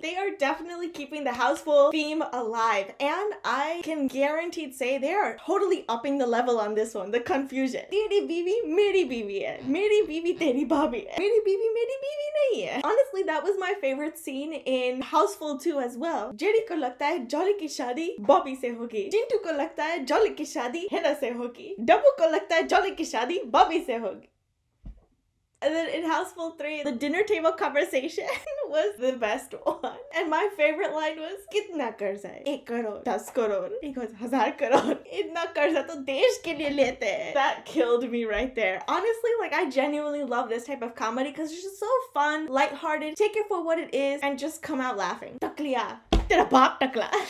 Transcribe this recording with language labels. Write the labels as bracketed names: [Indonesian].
[English] They are definitely keeping the Housefull theme alive, and I can guaranteed say they are totally upping the level on this one. The confusion. [Hindi] तेरी बीबी, मेरी बीबी है. मेरी बीबी, तेरी बाबी है. मेरी बीबी नहीं है. [English] Honestly, that was my favorite scene in Housefull 2 as well. [Hindi] Jerry को लगता है जॉली की शादी बॉबी से होगी. जिंटू को लगता है जॉली की शादी हिना से होगी. डाबू को लगता है जॉली की शादी बॉबी से होगी. [English] And then in Housefull 3, the dinner table conversation was the best one. And my favorite line was, [Hindi] कितना कर्ज़ा है? Ek karod. दस करोड़. [English] He goes, [Hindi] हज़ार करोड़. इतना कर्ज़ा तो देश के लिए लेते है. [English] That killed me right there. Honestly, like, I genuinely love this type of comedy because it's just so fun, lighthearted, take it for what it is, and just come out laughing. [Hindi] Takliya. Tera baap takla.